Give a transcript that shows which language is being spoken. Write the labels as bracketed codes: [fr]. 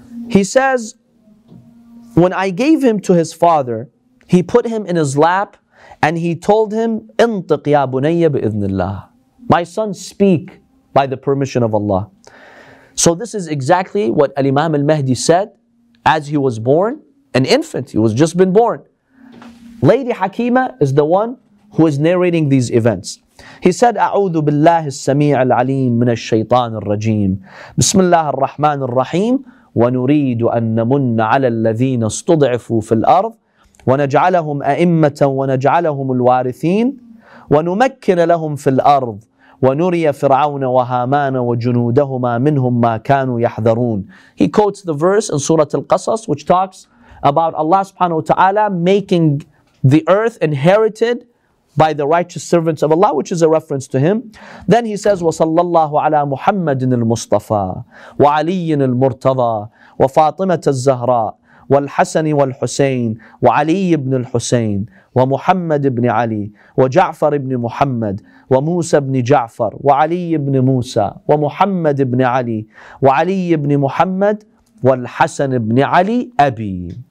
[en] He says, when I gave him to his father, he put him in his lap and he told him, [ar] انطق يا بني بإذن الله. [en] My son, speak by the permission of Allah. So this is exactly what Al-Imam Al-Mahdi said as he was born, an infant, he was just been born. Lady Hakima is the one who is narrating these events. He said, [ar] أعوذ بالله السميع العليم من الشيطان الرجيم بسم الله الرحمن الرحيم ونريد أن نمن على الذين استضعفوا في الأرض ونجعلهم أئمة ونجعلهم الوارثين ونمكن لهم في الأرض ونري فرعون وهامان وجنودهما منهم ما كانوا يحذرون. [en] He quotes the verse in Surah Al-Qasas which talks about Allah subhanahu wa ta'ala making the earth inherited by the righteous servants of Allah, which is a reference to him. Then he says, [ar] وَصَلَّى اللَّهُ عَلَى مُحَمَّدٍ الْمُصْطَفَى وَعَلِيٍّ الْمُرْتَضَى وَفَاطِمَةَ الزَّهْرَى وَالْحَسَنِ وَالْحُسَيْنِ وَعَلِيِّ بْنِ الْحُسَيْنِ وَمُحَمَّدِ بْنِ عَلِي وَجَعْفَرِ بْنِ مُحَمَّدٍ وَمُوسَى بْنِ جَعْفَرٍ وَعَلِيِّ بْنِ مُوسَى وَمُحَمَّدِ بْنِ عَلِي وَعَلِيِّ بْنِ مُحَمَّدٍ وَالْحَسَنِ بْنِ عَلِي أَبِي.